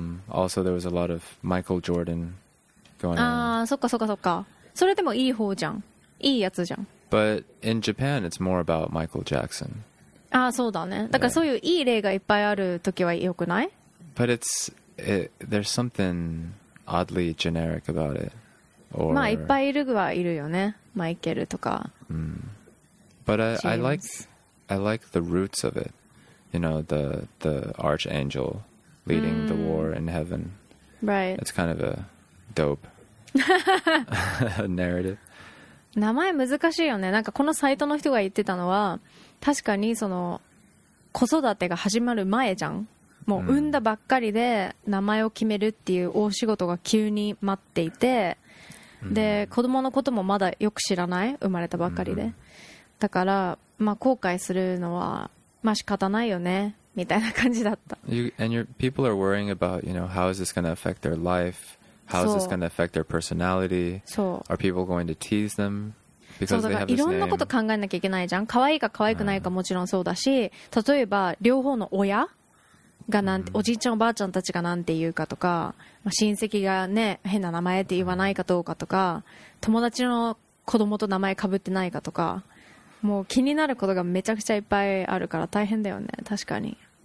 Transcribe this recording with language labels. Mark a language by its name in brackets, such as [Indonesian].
[English] Also, there was a lot of Michael Jordan going on. [Japanese] ああ、そっかそっかそっか。それでもいい方じゃん。いいやつじゃん。 [English] But in Japan, it's more about Michael Jackson. [Japanese] ああ、そうだね。だからそういういい例がいっぱいあるときはよくない？ [English] But there's something oddly generic about it. Or... [Japanese] まあ、いっぱいいるはいるよね。マイケルとか。 [English] But I like the roots of it. You know, the archangel. Leading the war in heaven. Right. It's kind of a dope narrative. [Japanese] 名前難しいよね。なんかこのサイトの人が言ってたのは、確かにその子育てが始まる前じゃん。もう産んだばっかりで名前を決めるっていう大仕事が急に待っていて、で、子供のこともまだよく知らない。生まれたばっかりで。だから、まあ後悔するのは、まあ仕方ないよね。みたいな感じだった。 [English] People are worrying about, you know, how is this going to affect their life? How is this going to affect their personality? [Japanese] そう。 [English] Are people going to tease them? Because they have this name. [Japanese] いろんなこと考えなきゃいけないじゃん。可愛いか可愛くないかもちろんそうだし、例えば両方の親がなんて、おじいちゃんおばあちゃんたちがなんて言うかとか、まあ、親戚がね、変な名前って言わないかどうかとか、友達の子供と名前かぶってないかとか、もう気になることがめちゃくちゃいっぱいあるから大変だよね。確かに。